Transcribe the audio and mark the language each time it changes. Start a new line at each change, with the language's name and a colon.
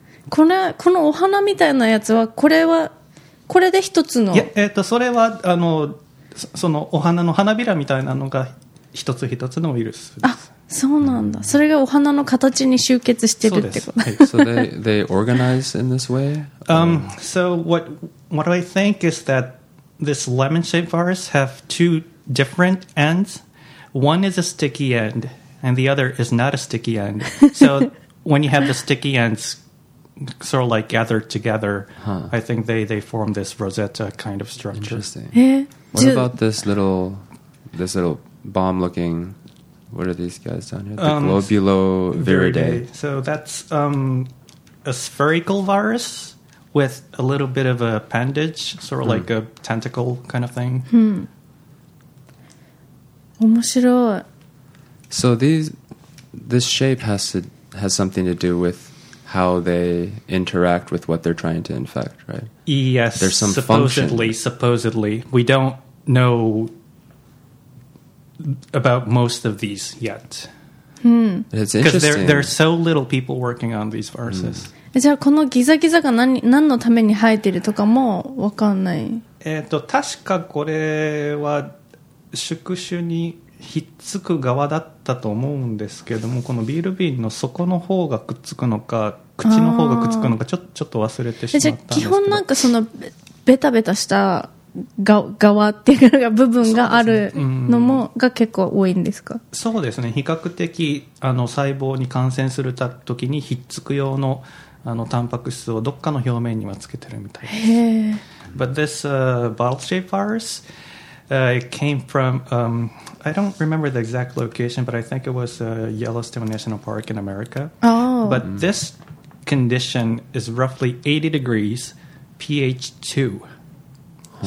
Japanese: このお花みたいなやつはこれはこれで一つのいや、それはあの そのお花の花びらみたいなのが一つ一つのウイルスですあそうなんだ、うん、それがお花の形に集結してるってことそうです、はい、
English: So they organize in this way? So what I think is that this lemon shaped virus have two different ends. One is a sticky end and the other is not a sticky end. So when you have the sticky ends sort of like gathered together, huh. I think they form this Rosetta kind of structure. Interesting. What about this little bomb looking, what are these guys down here? The Globuloviridae. So that's a spherical virus with a little bit of a appendage, sort of like a tentacle kind of thing.
Japanese: Hmm. 面白い.
English: So this shape has something to do with how they interact with what they're trying to infect, right? Yes, there's some supposedly. We don't know about most of these yet. Hmm. It's interesting. Because there are so little people working on these viruses. Hmm.
Japanese: じゃあこのギザギザが何のために生えてるとかも分かんない。確かこれは宿主にひっつく側だったと思うんですけどもこのビール瓶の底の方がくっつくのか口の方がくっつくのかちょっと忘れてしまったんですけどじゃあ基本なんかそのベタベタした側っていうか部分があるのもが結構多いんですかそうですね比較的あの細胞に感染するときにひっつく用のあのタンパク質をどっかの表面にはつけてるみたいです。
English: But this bottle-shaped virus, it came from, I don't remember the exact location, but I think it was Yellowstone National Park in America. Oh. But this condition is roughly 80 degrees, pH 2. Huh.